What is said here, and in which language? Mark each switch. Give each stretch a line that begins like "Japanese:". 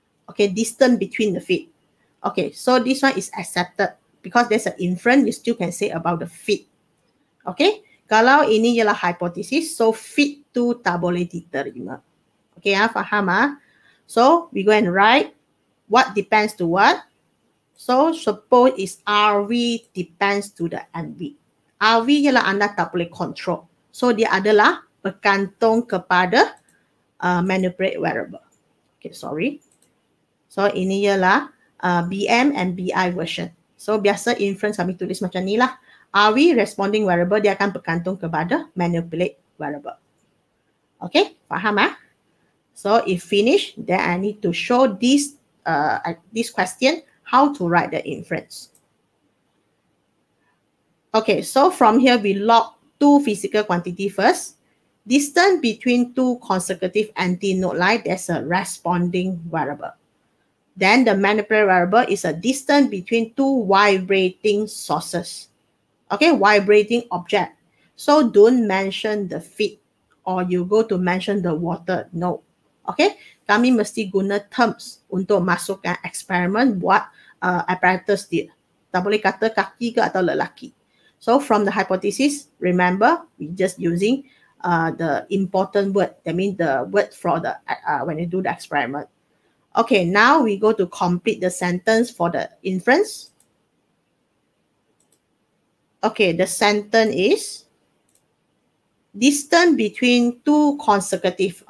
English: Okay, distance between the feet. Okay, so this one is accepted because there's an inference you still can say about the feet.
Malay: Okay, kalau ini ialah hypothesis, so feet tu tak boleh diterima. Okay, faham ah?
English: So we go and write what depends to what. So suppose is RV depends to the NV.
Malay: RV ialah anda tak boleh control. So dia adalah bergantung kepada manipulate variable.
English: Okay, sorry.
Malay: So ini ialah BM and BI version. So biasa inference kami tulis macam ni lah. RV responding variable dia akan bergantung kepada manipulate variable. Okay, faham ah?
English: So if finish, then I need to show this question how to write the inference. Okay, so from here, we log 2 physical quantity first. Distance between 2 consecutive anti-node line, there's a responding variable. Then the manipulate variable is a distance between 2 vibrating sources. Okay, vibrating object. So don't mention the feet or you go to mention the water.
Malay: No. Okay? Kami mesti guna terms untuk masukkan eksperimen buat apparatus dia. Tak boleh kata kaki ke atau lelaki.
English: So from the hypothesis, remember, we just using the important word. That means the word for the when you do the experiment. Okay, now we go to complete the sentence for the inference. Okay, the sentence is distance between two consecutive.